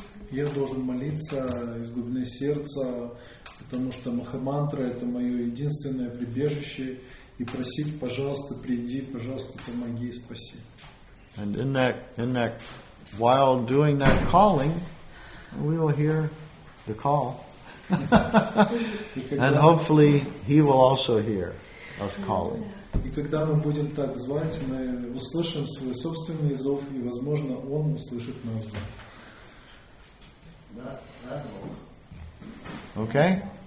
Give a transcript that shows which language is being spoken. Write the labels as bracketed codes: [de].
[ru] Я должен молиться из глубины сердца, потому что Махамантра — это мое единственное прибежище, и просить, пожалуйста, приди, пожалуйста, помоги и спаси. [en] And in that, while doing that calling, we will hear the call. And hopefully he will also hear us calling. [ru] И когда мы будем так звать, мы услышим свой собственный зов, и, возможно, он услышит наш зов. [en] Okay?